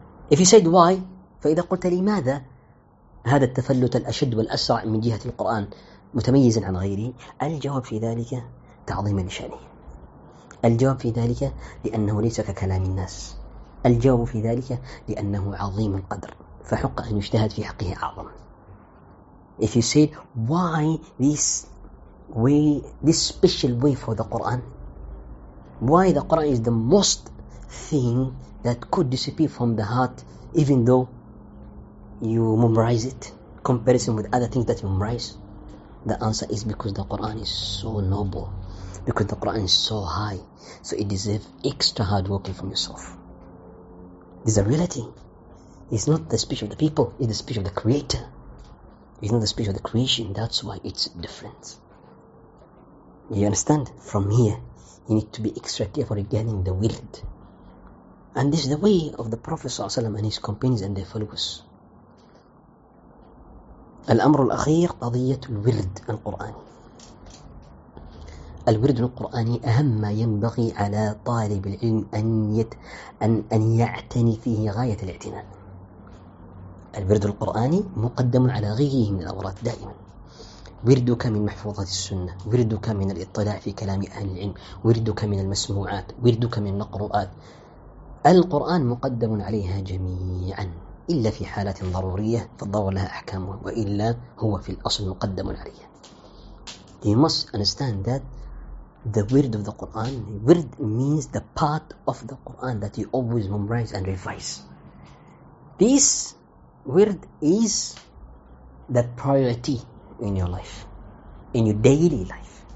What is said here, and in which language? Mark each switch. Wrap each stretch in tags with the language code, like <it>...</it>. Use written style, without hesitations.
<en>If you said why,</en> <ar>فإذا قلت لماذا هذا التفلت الأشد والأسرع من جهة القرآن متميزا عن غيره، الجواب في ذلك تعظيما لشأنه. الجواب في ذلك لأنه ليس ككلام الناس. الجواب في ذلك لأنه عظيم القدر، فحق أن يجتهد في حقه أعظم.</ar> <en>If you say why this way, this special way for the Quran, why the Quran is the most thing that could disappear from the heart even though you memorize it, comparison with other things that you memorize, the answer is because the Quran is so noble, because the Quran is so high, so it deserves extra hard working from yourself. This is a reality. It's not the speech of the people, it's the speech of the creator. It's not the speech of the creation, that's why it's different. You understand? From here, you need to be extra careful regarding the wird. And this is the way of the Prophet ﷺ and his companions and their followers.</en> <ar>الأمر الأخير قضية الورد القرآني. الورد القرآني أهم ما ينبغي على طالب العلم أن يعتني فيه غاية الاعتناء. الورد القرآني مقدم على غيره من الأوراد دائما. وردك من محفوظات السنة، وردك من الاطلاع في كلام أهل العلم، وردك من المسموعات، وردك من المقروءات. القرآن مقدم عليها جميعا إلا في حالات ضرورية فالضرورة لها أحكامها، وإلا هو في الأصل مقدم عليها.</ar> <en>You must understand that the word of the Quran, word means the part of the Quran that you always memorize and revise. This word is the priority in your life, in your daily life.</en>